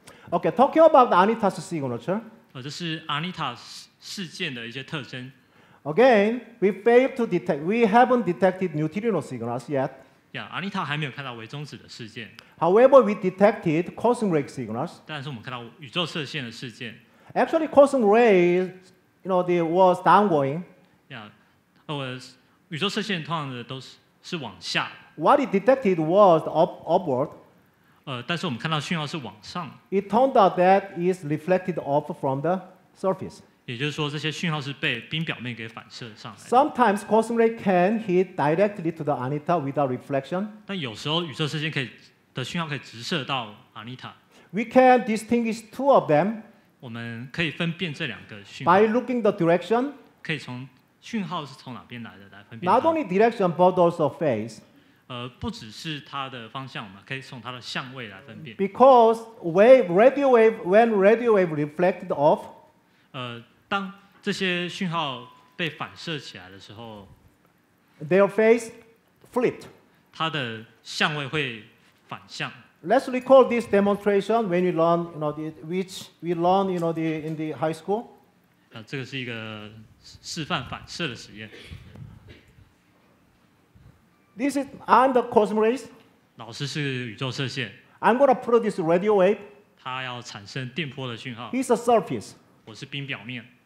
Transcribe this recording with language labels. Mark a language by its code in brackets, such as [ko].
[en] Okay, talking about ANITA's signature. [zh] 这是 ANITA 事件的一些特征。 [en] Again, we failed to detect. We haven't detected neutrino signals yet. [zh] Yeah, ANITA 还没有看到微中子的事件。 [en] However, we detected cosmic ray signals. [zh] 但是我们看到宇宙射线的事件。 [en] Actually, cosmic ray, you know, it was downgoing. Yeah, was [zh] 宇宙射线通常的都是往下。 [en] What it detected was upward. [zh] 但是我们看到讯号是往上。 [en] It turned out that is reflected off from the surface. [zh] 也就是说，这些讯号是被冰表面给反射上来的。 [en] Sometimes cosmic ray can hit directly to the ANITA without reflection. [zh] 但有时候宇宙射线的讯号可以直射到 ANITA. [en] We can distinguish two of them. [zh] 我们可以分辨这两个讯号。 [en] By looking the direction. [zh] 可以从讯号是从哪边来的来分辨。 [en] Not only direction, but also phase. [zh] 不只是它的方向，我们可以从它的相位来分辨。 [en] Because radio wave reflected off. [zh] 当这些讯号被反射起来的时候 [en] ，their phase flipped， [zh] 它的相位会反向。 [en] Let's recall this demonstration when we learn, you know, in the high school. [zh] 这个是一个示范反射的实验。 [en] This is under cosmic rays. [zh] 老师是宇宙射线。 [en] I'm gonna produce radio wave. [zh] 它要产生电波的讯号。 [en] It's a surface. [zh] 我是冰表面。